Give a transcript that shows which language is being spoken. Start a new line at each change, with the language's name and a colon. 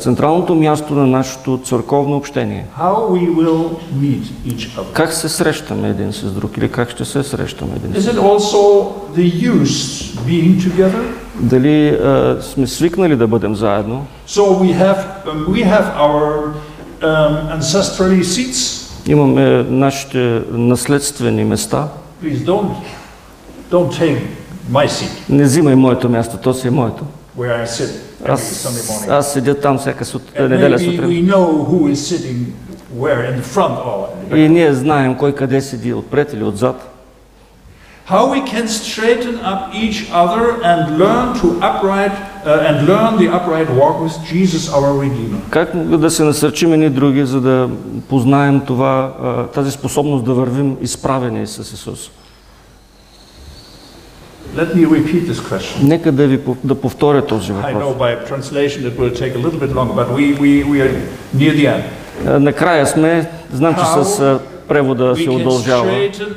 Bulgarian: Централното място на нашето църковно общение.
English: How we will meet each other.
Bulgarian: Как се срещаме един с друг или как ще се срещаме един с друг?
English: Is it also the use being together?
Bulgarian: Дали сме свикнали да бъдем заедно?
English: So we have our ancestral seats.
Bulgarian: Имаме нашите наследствени места.
English: Please don't take my seat.
Bulgarian: Не взимай моето място, то си е моето.
English: Where I sit every Sunday morning.
Bulgarian: Аз седя там всяка неделя сутрин.
English: And maybe we know who is sitting where in front of.
Bulgarian: И ние знаем кой къде седи, отпред или отзад.
English: how we can straighten up each other and learn to upright and learn the upright walk with Jesus our Redeemer.
Bulgarian: Как да се насърчим ние други, за да познаем това, тази способност да вървим изправени с Исус?
English: Let me repeat this question.
Bulgarian: Нека да ви повторя този въпрос.
English: I know by translation it will take a little bit longer, but we are near the end.
Bulgarian: Накрая сме, знам, че с превода се удължава.